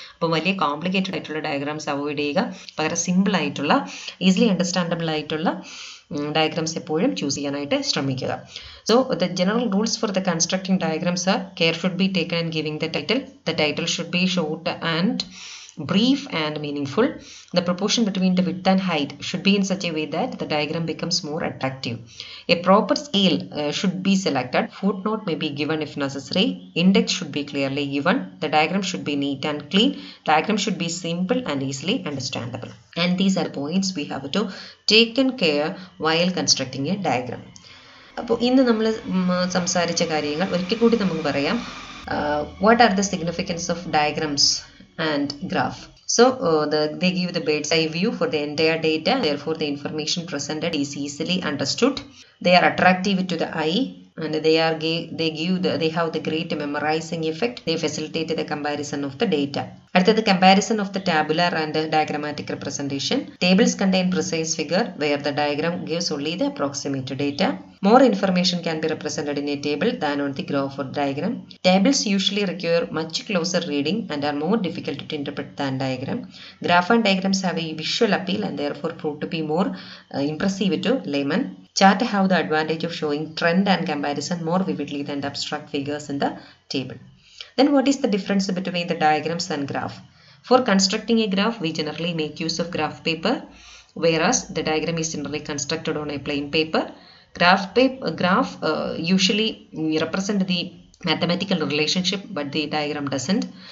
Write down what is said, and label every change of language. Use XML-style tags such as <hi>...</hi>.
<ml>അപ്പോൾ വലിയ കോംപ്ലിക്കേറ്റഡ് ആയിട്ടുള്ള ഡയഗ്രാംസ് അവോയ്ഡ് ചെയ്യുക. വളരെ സിമ്പിൾ ആയിട്ടുള്ള, ഈസിലി അണ്ടർസ്റ്റാൻഡബിൾ ആയിട്ടുള്ള ഡയഗ്രാംസ് എപ്പോഴും ചൂസ് ചെയ്യാനായിട്ട് ശ്രമിക്കുക.</ml> <en>So the general rules for the constructing diagrams are care should be taken and giving the title should be short and brief and meaningful. The proportion between the width and height should be in such a way that the diagram becomes more attractive. A proper scale should be selected. Footnote may be given if necessary. Index should be clearly given. The diagram should be neat and clean. Diagram should be simple and easily understandable. And these are points we have to take in care while constructing a diagram.</en> <ml>അപ്പോൾ ഇന്ന് നമ്മൾ സംസാരിച്ച കാര്യങ്ങൾ ഒരിക്കൽ കൂടി നമുക്ക് പറയാം.</ml> <en>What are the significance of diagrams and graph? So they give the bird's eye view for the entire data. Therefore, the information presented is easily understood. They are attractive to the eye, and they have the great memorizing effect. They facilitate the comparison of the data. അടുത്തത് comparison of the tabular and diagrammatic representation. Tables contain precise figure where the diagram gives only the approximate data. More information can be represented in a table than on the graph or diagram. Tables usually require much closer reading and are more difficult to interpret than diagram. Graph and diagrams have a visual appeal and therefore prove to be more impressive to layman. Chart have the advantage of showing trend and comparison more vividly than abstract figures in the table. Then what is the difference between the diagrams and graph? For constructing a graph, we generally make use of graph paper, whereas the diagram is generally constructed on a plain paper. Graph usually represent the mathematical relationship, but the diagram doesn't.</en>